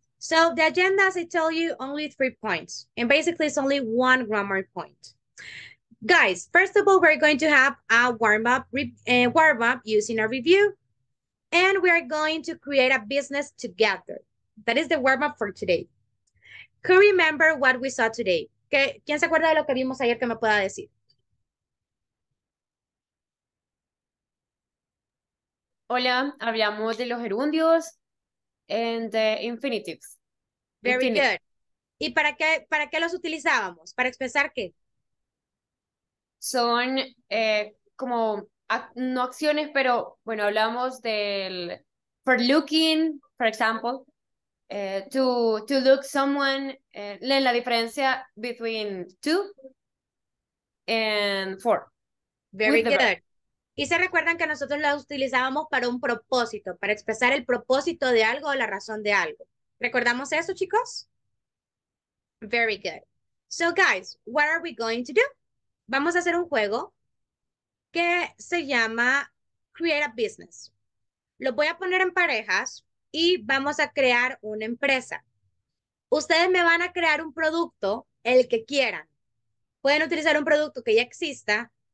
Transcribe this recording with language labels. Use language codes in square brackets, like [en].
[en] So the agenda, as I tell you, only 3 points. And basically, it's only one grammar point. Guys, first of all, we're going to have a warm-up using a review. And we are going to create a business together. That is the warm-up for today. Who remember what we saw today? [es] ¿Quién se acuerda de lo que vimos ayer que me pueda decir? Hola, hablamos de los gerundios [en] and the infinitives. Very good. [es] ¿Y para qué los utilizábamos? ¿Para expresar qué? Son como... no acciones, pero bueno, hablamos del [en] for looking, for example, to look someone, [es] leen la diferencia [en] between to and for. Very good. Verb. [es] Y se recuerdan que nosotros la utilizábamos para un propósito, para expresar el propósito de algo o la razón de algo. ¿Recordamos eso, chicos? [en] Very good. So, guys, what are we going to do? [es] Vamos a hacer un juego que se llama Create a Business. Los voy a poner en parejas y vamos a crear una empresa. Ustedes me van a crear un producto, el que quieran. Pueden utilizar un producto que ya exista